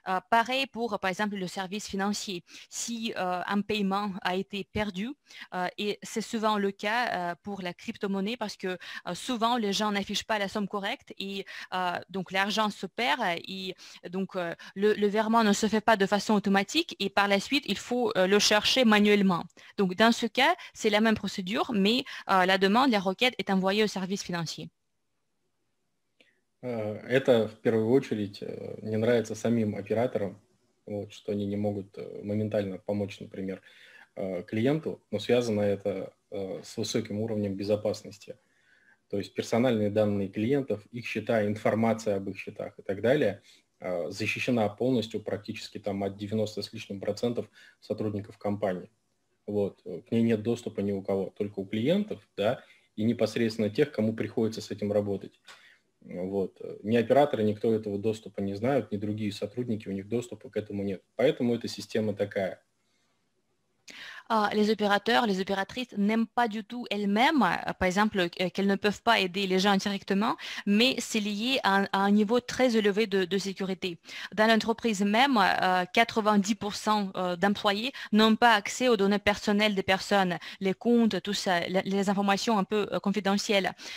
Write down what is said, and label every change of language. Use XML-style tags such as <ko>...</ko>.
<fr>Pareil pour, par exemple, le service financier. Si un paiement a été perdu, c'est souvent le cas pour la crypto-monnaie parce que souvent les gens n'affichent pas la somme correcte et donc l'argent se perd et donc le virement ne se fait pas de façon automatique et par la suite il faut le chercher manuellement. Donc dans ce cas, c'est la même procédure mais la demande, la requête est envoyée au service financier.</fr> <ru>Это в первую очередь не нравится самим операторам, вот, что они не могут моментально помочь, например, клиенту, но связано это с высоким уровнем безопасности. То есть персональные данные клиентов, их счета, информация об их счетах и так далее защищена полностью практически там от 90 с лишним процентов сотрудников компании. Вот. К ней нет доступа ни у кого, только у клиентов, да, и непосредственно тех, кому приходится с этим работать. Вот. Ни операторы, никто этого доступа не знают, ни другие сотрудники, у них доступа к этому нет. Поэтому эта система такая.</ru> <fr>Les opérateurs, les opératrices n'aiment pas du tout elles-mêmes, par exemple, qu'elles ne peuvent pas aider les gens directement, mais c'est lié à un niveau très élevé de sécurité. Dans l'entreprise même, 90% d'employés n'ont pas accès aux données personnelles des personnes, les comptes, tout ça, les informations un peu confidentielles.</fr>